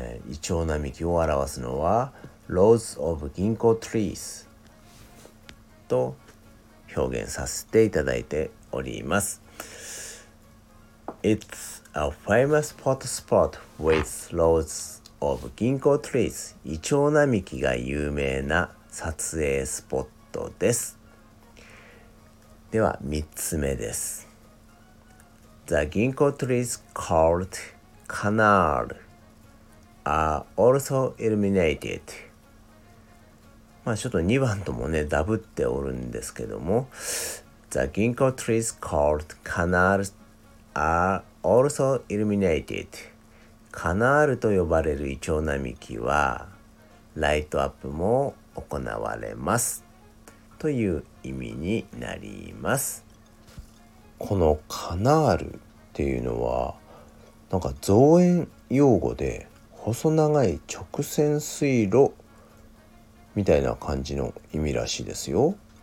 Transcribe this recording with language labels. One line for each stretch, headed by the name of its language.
Japanese: イチョウ並木を表すのは
English: Rows of ginkgo trees.
Japanese: と表現させていただいております。
English: It's a famous photo spot with loads of ginkgo trees.
Japanese: イチョウ並木が有名な撮影スポットです。では3つ目です。
English: The ginkgo trees called canal are also illuminated
Japanese: まあ、ちょっと2番ともね、ダブっておるんですけども、
English: The ginkgo trees called canal are also illuminated.
Japanese: Canal と呼ばれるイチョウ並木は、ライトアップも行われます。という意味になります。このカナールっていうのは、なんか造園用語で、細長い直線水路、みたいな感じの意味らしいですよ。